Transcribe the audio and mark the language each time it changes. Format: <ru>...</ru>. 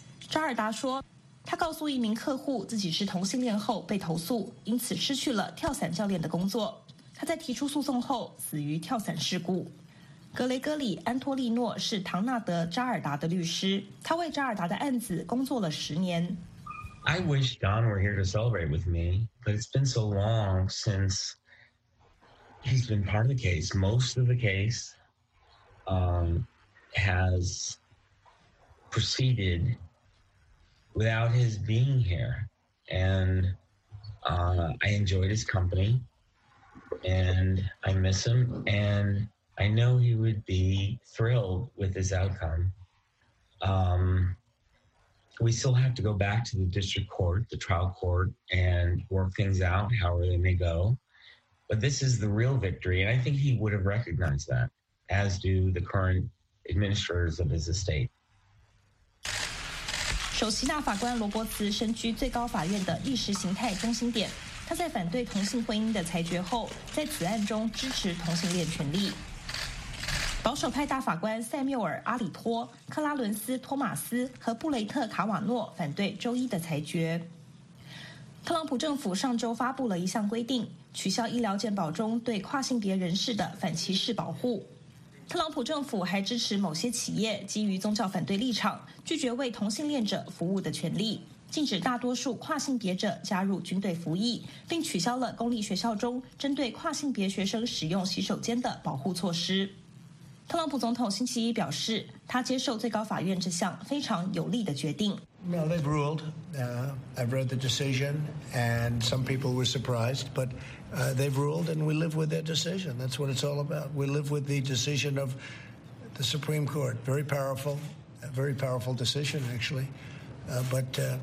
<zh>扎尔达说，他告诉一名客户自己是同性恋后被投诉，因此失去了跳伞教练的工作。他在提出诉讼后死于跳伞事故。格雷戈里·安托利诺是唐纳德·扎尔达的律师，他为扎尔达的案子工作了10年。</zh> <en>I wish Don were here to celebrate with me, but it's been so long since he's been part of the case. Most of the case, has proceeded. Without his being here, and I enjoyed his company, and I miss him, and I know he would be thrilled with his outcome. We still have to go back to the district court, the trial court, and work things out, however they may go. But this is the real victory, and I think he would have recognized that, as do the current administrators of his estate.</en> <zh>首席大法官罗伯茨身居最高法院的意识形态中心点，他在反对同性婚姻的裁决后，在此案中支持同性恋权利。保守派大法官塞缪尔·阿里托、克拉伦斯·托马斯和布雷特·卡瓦诺反对周一的裁决。特朗普政府上周发布了一项规定，取消医疗健保中对跨性别人士的反歧视保护。特朗普政府还支持某些企业基于宗教反对立场拒绝为同性恋者服务的权利，禁止大多数跨性别者加入军队服役，并取消了公立学校中针对跨性别学生使用洗手间的保护措施。特朗普总统星期一表示，他接受最高法院这项非常有利的决定。</zh> <en>Well, they've ruled. I've read the decision, and some people were surprised, but they've ruled, and we live with their decision. That's what it's all about. We live with the decision of the Supreme Court. Very powerful, a very powerful decision, actually. But</en>